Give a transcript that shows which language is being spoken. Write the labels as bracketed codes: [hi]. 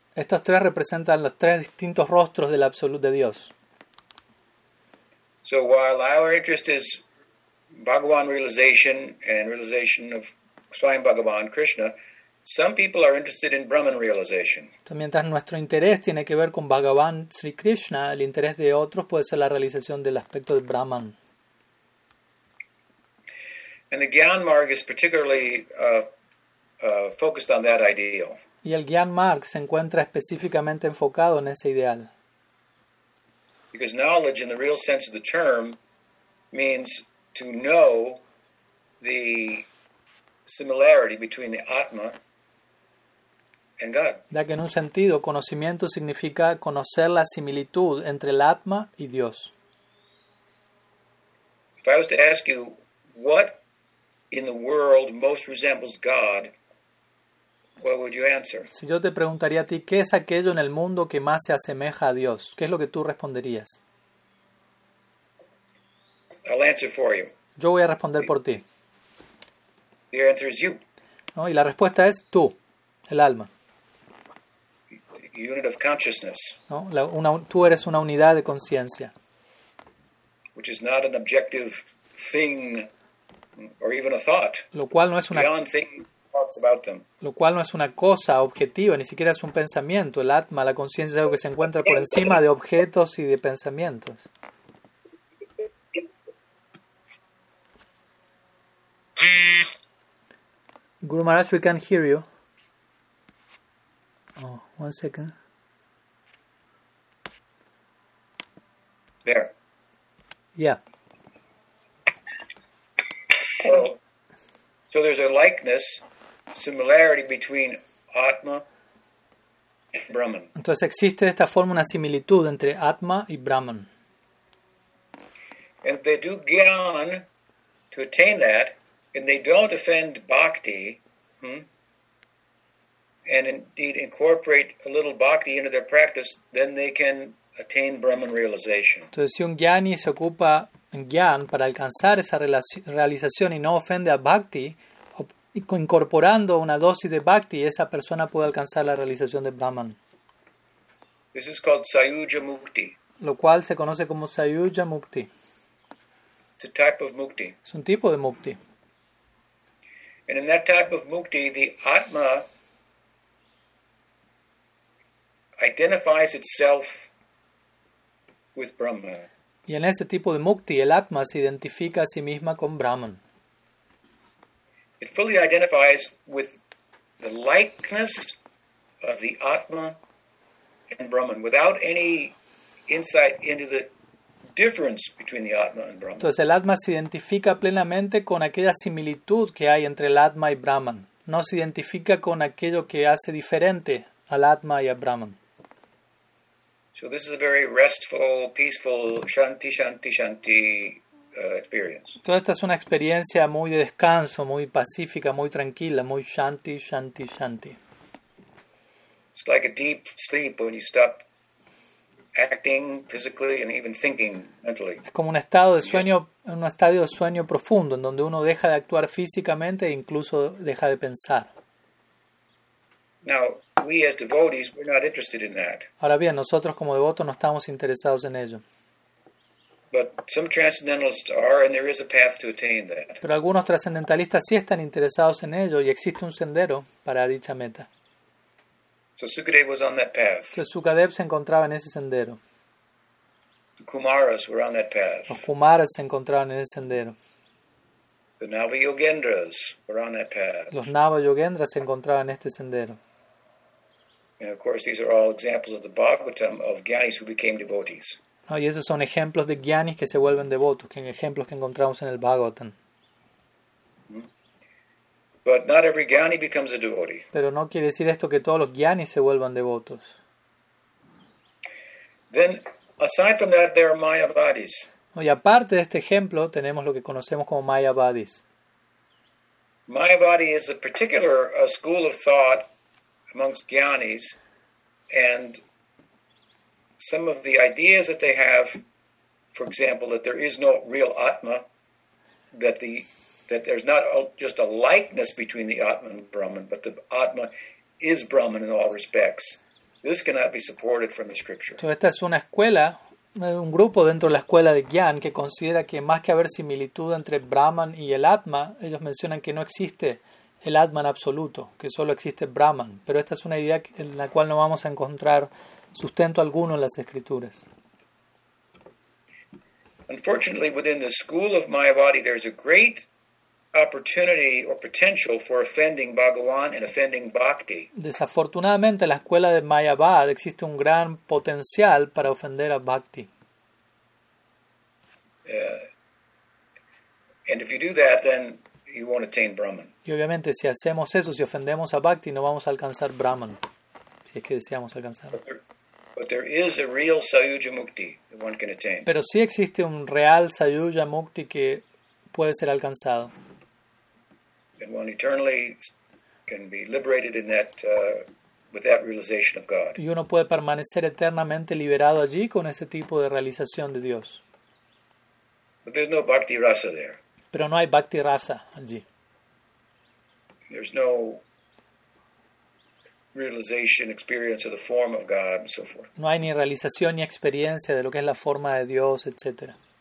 [es] Estos tres representan los tres distintos rostros del Absoluto de Dios. [en] So while our interest is Bhagavan realization and realization of Swami Bhagavan, Krishna, some people are interested in Brahman realization. [es] Mientras nuestro interés tiene que ver con Bhagavan Sri Krishna, el interés de otros puede ser la realización del aspecto de Brahman. [en] And the Gyan Marg is particularly focused on that ideal. [es] Y el Gyan Marg se encuentra específicamente enfocado en ese ideal. [en] Because knowledge, in the real sense of the term, means to know the similarity between the Atma and God. [es] Ya que en un sentido, conocimiento significa conocer la similitud entre el Atma y Dios. [en] If I was to ask you, what in the world most resembles God, what would you answer? [es] Si yo te preguntaría a ti, ¿qué es aquello en el mundo que más se asemeja a Dios? ¿Qué es lo que tú responderías? [en] I'll answer for you. [es] Yo voy a responder por ti. [en] The answer is you. [es] ¿No? Y la respuesta es tú, el alma. [en] Unit of consciousness. [es] ¿No? Tú eres una unidad de conciencia. [en] Which is not an objective thing or even a thought. [es] Lo cual no es una [en] beyond thing, thoughts about them. [es] Lo cual no es una cosa objetiva, ni siquiera es un pensamiento. El atma, la conciencia, es algo que se encuentra por encima de objetos y de pensamientos. [en] Guru Maharaj, we can hear you. Oh, one second. There. Yeah. So there's a likeness, similarity between Atma and Brahman. [es] Entonces existe de esta forma una similitud entre Atma y Brahman. [en] And they do gyan to attain that. And they don't offend bhakti, and indeed incorporate a little bhakti into their practice, then they can attain Brahman realization. [es] Entonces, si un gyani se ocupa en gyan para alcanzar esa realización y no ofende a bhakti, incorporando una dosis de bhakti, esa persona puede alcanzar la realización de Brahman. [en] This is called Sayuja Mukti. [es] Lo cual se conoce como Sayuja Mukti. [en] It's a type of mukti. [es] Es un tipo de mukti. [en] And in that type of mukti, the Atma identifies itself with Brahman. [es] Y en ese tipo de mukti, el Atma se identifica a sí misma con Brahman. [en] It fully identifies with the likeness of the Atma and Brahman, without any insight into the difference between the Atma and Brahman. [es] Entonces el Atma se identifica plenamente con aquella similitud que hay entre el Atma y Brahman. No se identifica con aquello que hace diferente al Atma y a Brahman. [en] So this is a very restful, peaceful, shanti, shanti, shanti experience. [es] Toda esta es una experiencia muy de descanso, muy pacífica, muy tranquila, muy shanti, shanti, shanti. [en] It's like a deep sleep when you stop acting physically and even thinking mentally. [es] Es como un estado de sueño, un estadio de sueño profundo en donde uno deja de actuar físicamente e incluso deja de pensar. [en] Now, we as devotees, we're not interested in that. [es] Ahora bien, nosotros como devotos no estamos interesados en ello. [en] But some transcendentalists are, and there is a path to attain that. [es] Pero algunos trascendentalistas sí están interesados en ello y existe un sendero para dicha meta. [en] So Sukadev was on that path. [es] Entonces, Sukadev se encontraba en ese sendero. [en] The Kumaras were on that path. [es] Los Kumaras se encontraban en ese sendero. [en] The Navayogendras were on that path. [es] Los Navayogendras se encontraban en este sendero. [en] And of course, these are all examples of the Bhagavatam of Gyanis who became devotees. [es] No, y esos son ejemplos de Gyanis que se vuelven devotos, que son ejemplos que encontramos en el Bhagavatam. [en] But not every gyani becomes a devotee. [es] Pero no quiere decir esto que todos los gyanis se vuelvan devotos. [en] Then, aside from that, there are mayavadis. [es] Y aparte de este ejemplo, tenemos lo que conocemos como mayavadis. [en] Mayavadi is a particular school of thought amongst gyanis, and some of the ideas that they have, for example, that there is no real atma, that there's not just a likeness between the Atman and Brahman, but the Atman is Brahman in all respects. This cannot be supported from the scripture. [es] Entonces, esta es una escuela, un grupo dentro de la escuela de Gyan que considera que más que haber similitud entre Brahman y el Atma, ellos mencionan que no existe el Atman absoluto, que solo existe Brahman. Pero esta es una idea en la cual no vamos a encontrar sustento alguno en las escrituras. [en] Unfortunately, within the school of Mayavadi, there's a great opportunity or potential for offending Bhagavan and offending Bhakti. [es] Desafortunadamente, en la escuela de Mayavad existe un gran potencial para ofender a Bhakti. [en] And if you do that, then you won't attain Brahman. [es] Y obviamente, si hacemos eso, si ofendemos a Bhakti, no vamos a alcanzar Brahman, si es que deseamos alcanzar. [en] But there is a real Sayuja Mukti that one can attain. [es] Pero sí existe un real Sayuja Mukti que puede ser alcanzado. [en] And one eternally can be liberated in that with that realization of God. [es] Y uno puede permanecer eternamente liberado allí con ese tipo de realización de Dios. [en] But there's no bhakti rasa there. [es] Pero no hay bhakti rasa allí. [en] There's no realization, experience of the form of God, and so forth. [es] No hay ni realización ni experiencia de lo que es la forma de Dios, etc.